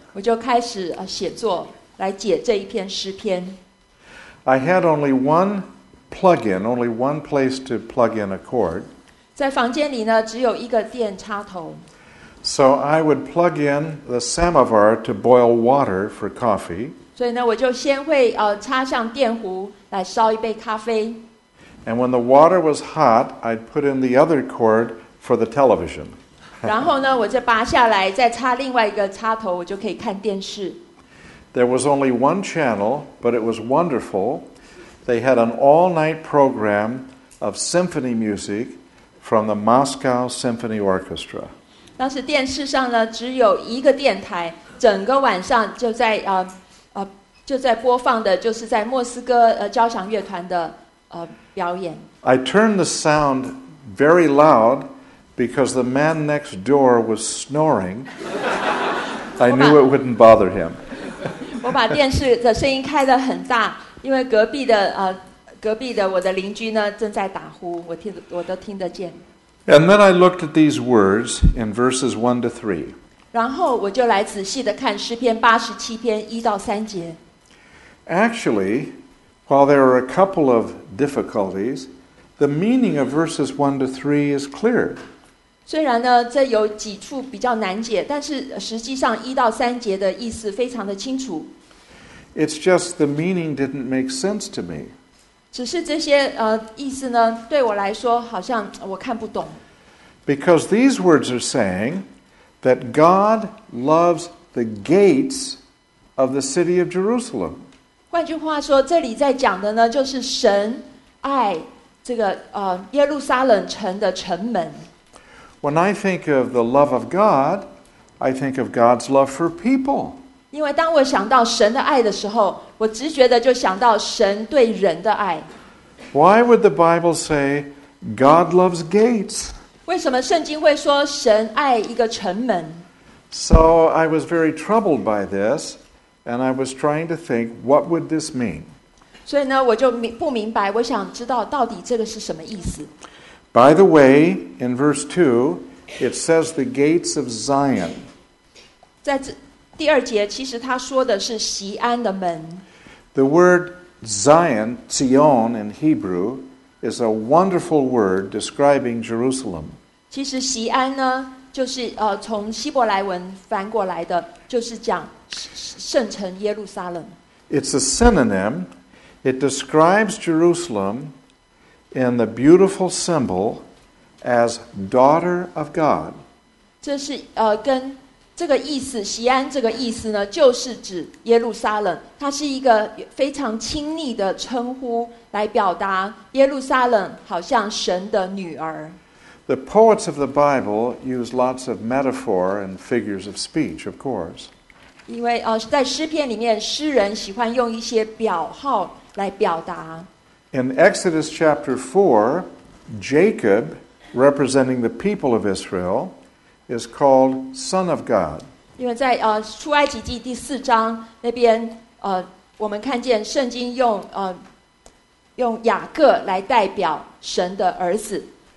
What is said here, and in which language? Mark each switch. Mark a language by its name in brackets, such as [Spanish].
[Chinese] 我就开始写作，来解这一篇诗篇。 [English] I had only one plug-in, only one place to plug in a cord. [Chinese] 在房间里呢，只有一个电插头。 [English] So I would plug in the samovar to boil water for coffee. [Chinese] 所以呢，我就先会插上电壶来烧一杯咖啡。 [English] And when the water was hot, I'd put in the other cord for the television. [Chinese] 然后呢，我就拔下来，再插另外一个插头，我就可以看电视。 [English] There was only one channel, but it was wonderful. They had an all-night program of symphony music from the Moscow Symphony Orchestra. [Chinese] 当时电视上呢，只有一个电台，整个晚上就在就在播放的，就是在莫斯科交响乐团的表演。 [English] I turned the sound very loud. Because the man next door was snoring, I knew it wouldn't bother him. [Chinese] 我把电视的声音开得很大，因为隔壁的我的邻居呢正在打呼，我都听得见。 [English] And then I looked at these words in verses 1-3. [Chinese] 然后我就来仔细的看诗篇八十七篇一到三节。 [English] Actually, while there are a couple of difficulties, the meaning of verses 1-3 is clear. [Chinese] 虽然呢，这有几处比较难解，但是实际上一到三节的意思非常的清楚。 [English] It's just the meaning didn't make sense to me. [Chinese] 只是这些意思呢，对我来说好像我看不懂。 [English] Because these words are saying that God loves the gates of the city of Jerusalem. [Chinese] 换句话说，这里在讲的呢，就是神爱这个耶路撒冷城的城门。 [English] When I think of the love of God, I think of God's love for people. [Chinese] 因为当我想到神的爱的时候，我直觉的就想到神对人的爱。 [English] Why would the Bible say God loves gates. [Chinese] 为什么圣经会说神爱一个城门？ [English] So I was very troubled by this, and I was trying to think, what would this mean? [Chinese] 所以呢，我就不明白，我想知道到底这个是什么意思。 [English] By the way, in verse 2, it says the gates of Zion. [Chinese] 在第二节，其实他说的是锡安的门。 [English] The word Zion, Zion in Hebrew, is a wonderful word describing Jerusalem. [Chinese] 其实锡安呢，就是从希伯来文翻过来的，就是讲圣城耶路撒冷。 [English] It's a synonym. It describes Jerusalem. And the beautiful symbol as daughter of God. [Chinese] 这是跟这个意思，锡安这个意思呢，就是指耶路撒冷。它是一个非常亲昵的称呼，来表达耶路撒冷好像神的女儿。 [English] The poets of the Bible use lots of metaphor and figures of speech, of course. [Chinese] 因为在诗篇里面，诗人喜欢用一些表号来表达。 [English] In Exodus chapter 4, Jacob, representing the people of Israel, is called son of God. [Chinese] 因为在出埃及记第四章那边我们看见圣经用雅各来代表神的儿子。